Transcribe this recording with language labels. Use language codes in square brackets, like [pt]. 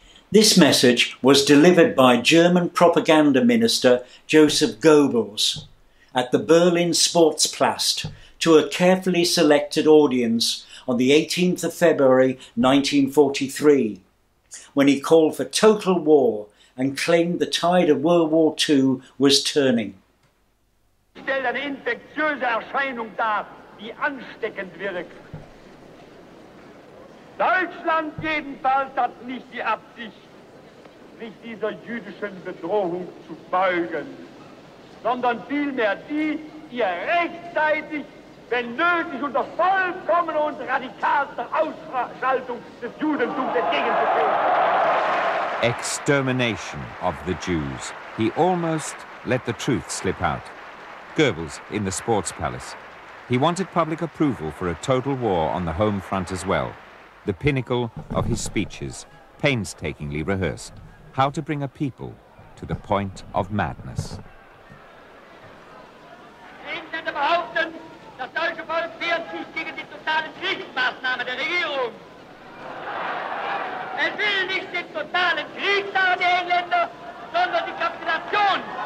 [en] This message was delivered by German propaganda minister Joseph Goebbels at the Berlin Sportsplatz to a carefully selected audience on the 18th of February 1943, when he called for total war and claimed the tide of World War II was turning. [de] Stellt eine infektiöse Erscheinung dar, die ansteckend wirkt. Deutschland jedenfalls hat nicht die Absicht, sich dieser jüdischen Bedrohung zu beugen, sondern vielmehr die, ihr rechtzeitig, wenn nötig, unter vollkommener und radikalster Ausschaltung des Judentums entgegenzutreten. [en] Extermination of the Jews. He almost let the truth slip out. Goebbels in the sports palace. He wanted public approval for a total war on the home front as well. The pinnacle of his speeches, painstakingly rehearsed. How to bring a people to the point of madness. [de] Gegen die behaupten, das deutsche Volk wehrt sich gegen die totale Kriegsmaßnahme der Regierung. Es will nicht den totalen Krieg der Engländer, sondern die Kapitulation.